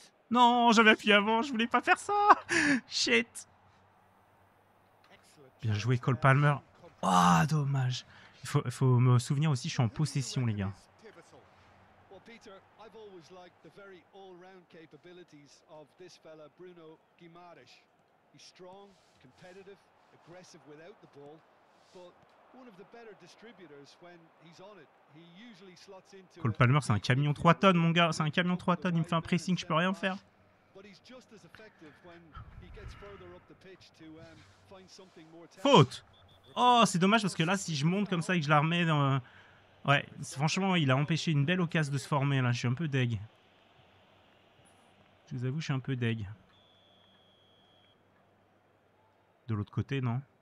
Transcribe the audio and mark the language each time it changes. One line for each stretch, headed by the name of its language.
French: Non, j'avais appuyé avant. Je voulais pas faire ça. Shit. Bien joué, Cole Palmer. Oh, dommage. Il faut me souvenir aussi, je suis en possession, les gars.
English: Peter, I've always liked the very all-round capabilities of this fella, Bruno Guimarães. He's strong, competitive, aggressive without the ball, but one of the better distributors when he's on it. He usually slots into.
French: Cole Palmer, c'est un camion 3 tonnes, mon gars. C'est un camion 3 tonnes. Il me fait un pressing, je peux rien faire.
English: But he's just as effective when he gets further up the pitch to find something more.
French: Faute. Oh, c'est dommage parce que là, si je monte comme ça et que je la remets dans. Ouais, franchement, il a empêché une belle occasion de se former, là. Je suis un peu deg. Je vous avoue, je suis un peu deg. De l'autre côté, non?